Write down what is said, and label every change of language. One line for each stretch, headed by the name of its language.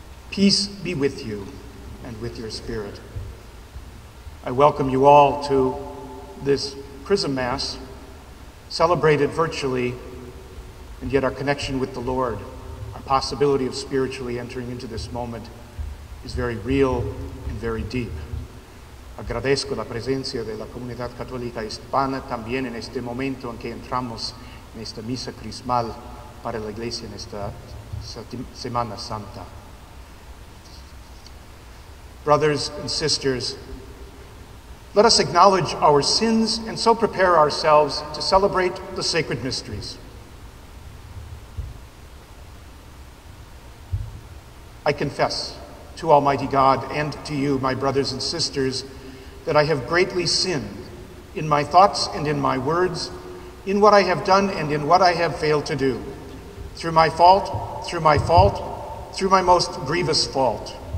English: Peace be with you and with your spirit. I welcome you all to this Chrism Mass, celebrated virtually, and yet our connection with the Lord, our possibility of spiritually entering into this moment, is very real and very deep.
Spanish: Agradezco la presencia de la comunidad católica hispana también en este momento en que entramos en esta misa crismal para la iglesia en esta Semana Santa.
English: Brothers and sisters, let us acknowledge our sins and so prepare ourselves to celebrate the sacred mysteries. I confess to Almighty God and to you, my brothers and sisters, that I have greatly sinned in my thoughts and in my words, in what I have done and in what I have failed to do, through my most grievous fault.